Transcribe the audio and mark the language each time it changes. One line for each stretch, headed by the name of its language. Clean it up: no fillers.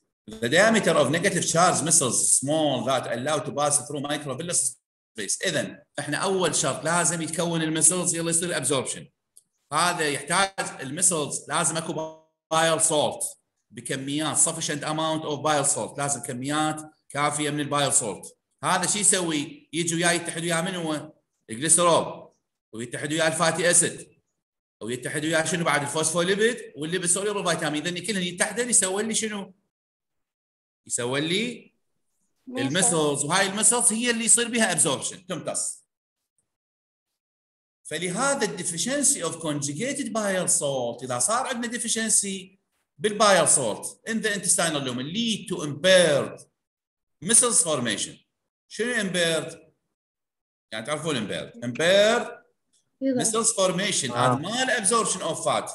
English: The diameter of negative charge missiles small that allow to pass through microvillus space.
Arabic: إذن إحنا أول شرط لازم يتكون المسلز يلي يصير absorption. هذا يحتاج المسلز لازم أكو bile salt بكميات
English: sufficient amount of bile salt.
Arabic: لازم كميات كافية من bile salt. هذا شي يسوي يجي وياه يتحد وياه من هو الجليسرول ويتحد وياه الفاتي أسيد ويتحد وياه شنو بعد الفوسفوليبيد واللي بسوليو الفيتامين. إذن كلهم يتحدن يسوي لي شنو يسوي لي المسلز وهاي المسلز هي اللي يصير بها absorption تمتص.
English: فلهذا deficiency of conjugated bile salt
Arabic: إذا صار عندنا
English: deficiency بالbile salt in the intestinal lumen lead to impaired missiles formation.
Arabic: شنو impaired؟ يعني تعرفون impaired
English: impaired missiles formation
Arabic: هذا مال
English: absorption of fat.